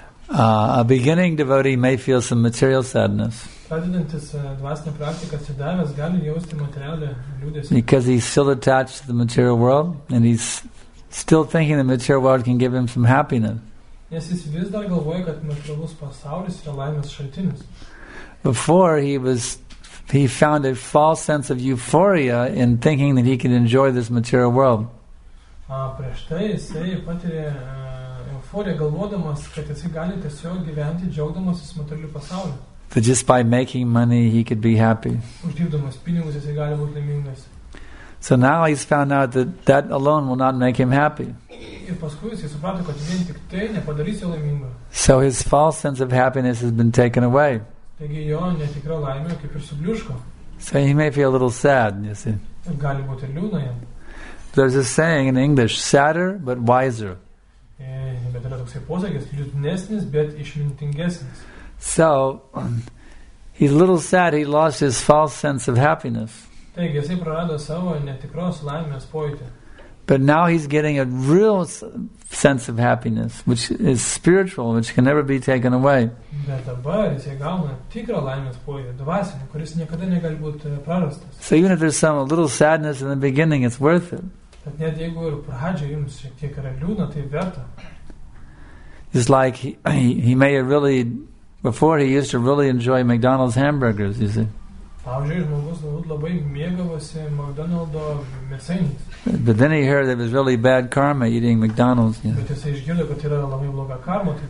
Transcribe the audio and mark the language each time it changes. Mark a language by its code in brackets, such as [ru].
[en] A beginning devotee may feel some material sadness. Because he's still attached to the material world and he's still thinking the material world can give him some happiness. [lt] Nes jis vis dar galvoja, kad materialus pasaulis yra laimės šaltinis. [en] Before he found a false sense of euphoria in thinking that he could enjoy this material world. [lt] Prieš tai jisai patirė sutvorė galvodamas, kad jisai gali tiesiog gyventi džiaugdamasis materialiu pasauliu. [en] That just by making money he could be happy. [lt] Uždirbdamas pinigus jisai gali būti laimingas. [en] So now he's found out that that alone will not make him happy. [lt] Ir paskui jisai suprato, kad vien tik tai nepadarys jo laimingo. [en] So his false sense of happiness has been taken away. [lt] Taigi jo netikra laimė kaip ir subliuško. [en] So he may feel a little sad, you see. [lt] Ir gali būti ir liūdna jam. [en] There's a saying in English, sadder but wiser. [lt] Bet yra toksai posakis, liūdnesnis, bet išmintingesnis. [en] So, he's a little sad he lost his false sense of happiness. [lt] Taigi, jisai prarado savo netikros laimės pojūtį. [en] But now he's getting a real sense of happiness, which is spiritual, which can never be taken away. [lt] Bet dabar jisai gauna tikrą laimės pojūtį, dvasinį, kuris niekada negali būti prarastas. [en] So even if there's some a little sadness in the beginning, it's worth it. [lt] Bet net jeigu ir pradžioje jums šiek tiek yra liūna, tai verta. [en] It's like he may have really, before he used to really enjoy McDonald's hamburgers, you see. [lt] Pavyzdžiui, žmogus labai mėgavosi McDonald'o mėsainiais. [en] But then he heard that it was really bad karma eating McDonald's. [lt] Bet jisai išgirdo, kad yra labai bloga karma.